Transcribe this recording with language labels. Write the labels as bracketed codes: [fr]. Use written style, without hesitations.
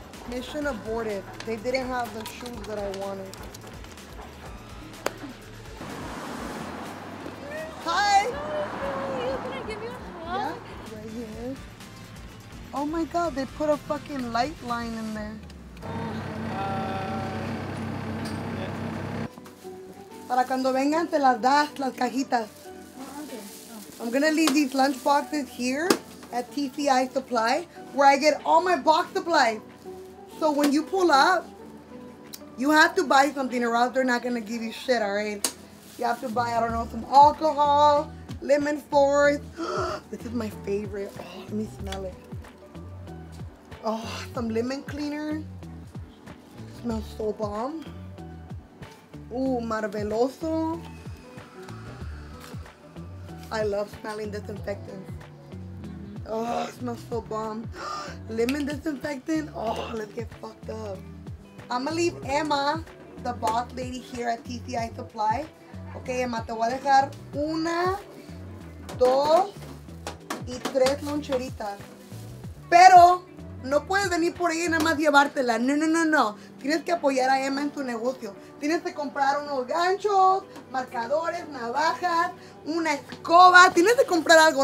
[en] Mission aborted. They didn't have the shoes that I wanted. Hi! Can I give you a hug? Yeah, right here. Oh my God, they put a fucking light line in there. [es] Para cuando vengan, te las das, las cajitas. [en] I'm gonna leave these lunch boxes here at TCI Supply, where I get all my box supplies. So when you pull up, you have to buy something or else they're not gonna give you shit, all right? You have to buy, I don't know, some alcohol, lemon force. This is my favorite. Oh, let me smell it. Oh, some lemon cleaner. Smells so bomb. Ooh, Marveloso. I love smelling disinfectant. Oh, it smells so bomb. Lemon disinfectant. Oh, let's get fucked up. I'm gonna leave Emma, the boss lady here at TCI Supply. [es] Okay, Emma, te voy a dejar una, dos y tres loncheritas. Pero no puedes venir por ahí y nada más llevártela. No, no, no, no. Tienes que apoyar a Emma en tu negocio. Tienes que comprar unos ganchos, marcadores, navajas, una escoba. Tienes que comprar algo.